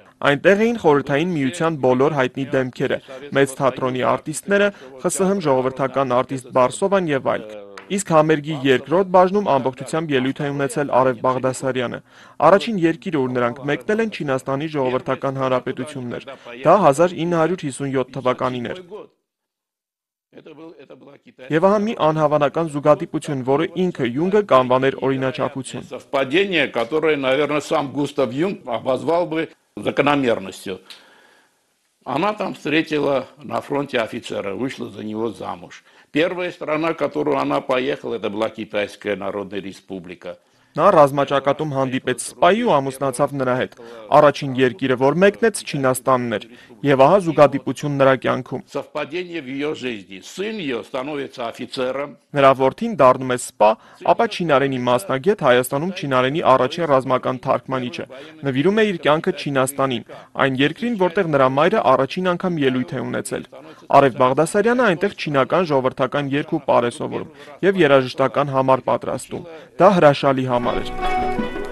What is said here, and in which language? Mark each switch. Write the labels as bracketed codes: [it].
[hy] Այնտեղ էին խորհրդային միության բոլոր հայտնի դեմքերը, մեծ թատրոնի արտիստները, ԽՍՀՄ ժողովրդական արտիստ Բարսովան և այլք։ Իսկ համերգի երկրորդ բաժնում ամբողջությամբ ելույթ է ունեցել Արև Բաղդասարյանը։ Առաջին երկիրը, որ նրանք մեկնել են, Չինաստանի ժողովրդական հանրապետություններ։ Դա 1957 թվականին էր։ Եվ ահա մի անհավանական զուգադիպություն, որը ինքը Յունգը կանվան էր օրինաչափություն։ [ru] Совпадение, которое, наверное, сам Густав Юнг обозвал бы закономерностью. Она там встретила на фронте офицера, вышла за него замуж. Первая страна, которую она поехала, это была Китайская Народная Республика. [hy] Նա ռազմաճակատում հանդիպեց սպայի ու ամուսնացավ նրա հետ։ Առաջին երկիրը, որ մեկնեց, Չինաստանն էր, եւ ահա զուգադիպություն նրա կյանքում։ [ru] Совпадение в её жизни. Сын её становится офицером. [hy] Նրա որդին դառնում է սպա, ապա չինարենի մասնագետ, Հայաստանում չինարենի առաջին ռազմական թարգմանիչը։ Նվիրում է իր կյանքը Չինաստանին, այն երկրին, որտեղ նրա մայրը առաջին անգամ ելույթ է ունեցել։ Արև Բաղդասարյանը այնտեղ չինական ժողովրդական երգու պար է սովորում եւ երաժշտական համար պատրաստում։ Դա հրաշալի համար էր։